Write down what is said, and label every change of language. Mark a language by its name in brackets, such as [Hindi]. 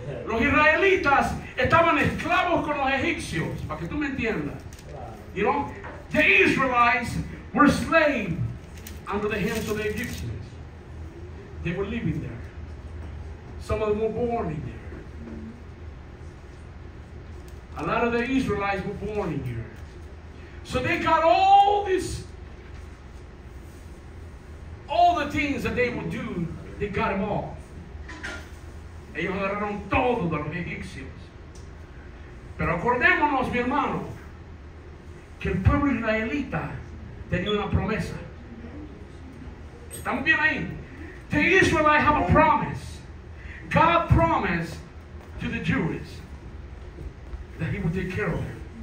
[Spanish] Los israelitas estaban esclavos con los egipcios, para que tú me entiendas. [English] You know? The Israelites were slaves under the hands of the Egyptians. They were living there. Some of them were born in there. A lot of the Israelites were born in here. So they got all the things that they would do, they got them all. [Spanish] Ellos agarraron todo de los egipcios. Pero acordémonos, mi hermano, que el pueblo israelita tenía una promesa. ¿Estamos bien ahí? [English] The Israelites have a promise. God promised to the Jews that he would take care of them.